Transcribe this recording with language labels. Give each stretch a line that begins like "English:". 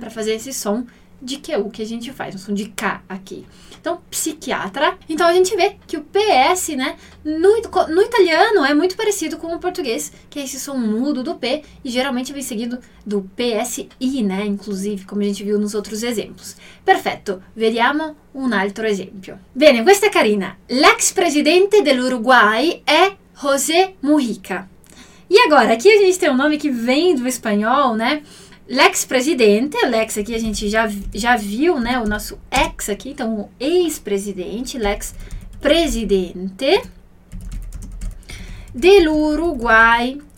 Portuguese: Para fazer esse som de QU que a gente faz, um som de K aqui. Então, psiquiatra. Então, a gente vê que o PS, né? No italiano, é muito parecido com o português, que é esse som mudo do P, e geralmente vem seguido do PSI, né? Inclusive, como a gente viu nos outros exemplos.
Italian: Perfetto. Vediamo un altro esempio. Bene, questa è carina. L'ex presidente dell'Uruguay è José Mujica.
Portuguese: E agora, aqui a gente tem um nome que vem do espanhol, né? L'ex-presidente, l'ex aqui a gente já viu, né, o nosso ex aqui, então o ex-presidente,
Italian: l'ex-presidente del Uruguay.